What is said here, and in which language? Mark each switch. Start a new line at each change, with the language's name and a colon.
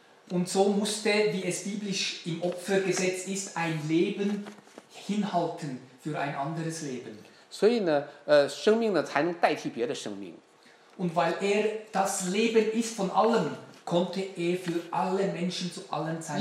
German: Und so musste, wie es biblisch im Opfergesetz ist, ein Leben hinhalten. Für ein anderes Leben.
Chinese: 所以呢，生命呢才能代替别的生命。
German: Und weil er das Leben ist von allem, konnte er für alle Menschen zu allen Zeiten.